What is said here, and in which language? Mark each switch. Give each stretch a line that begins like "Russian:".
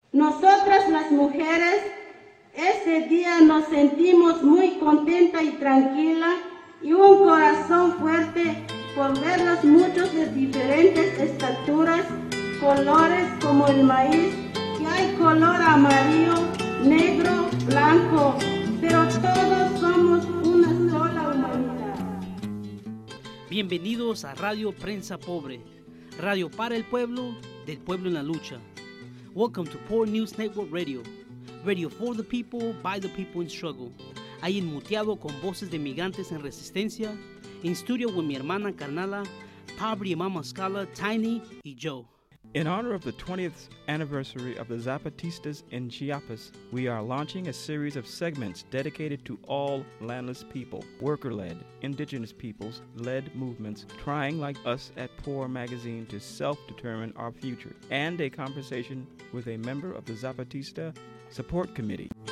Spanish: Nosotras las mujeres ese día nos sentimos muy contenta y tranquila y un corazón fuerte por verlos muchos de diferentes estaturas, colores como el maíz, que hay color amarillo, negro, blanco, pero todos somos una sola humanidad. Bienvenidos a Radio Prensa Pobre, radio para el pueblo, del pueblo en la lucha.
English: Welcome to Poor News Network Radio, radio for the people, by the people in struggle.
Spanish: Ahí en muteado con voces de migrantes en resistencia, en studio with mi hermana carnala, Pabri Mama Scala, Tiny, y Joe.
English: In honor of the 20th anniversary of the Zapatistas in Chiapas, we are launching a series of segments dedicated to all landless people, worker-led, indigenous peoples-led movements trying like us at Poor Magazine to self-determine our future, and a conversation with a member of the Zapatista Support Committee.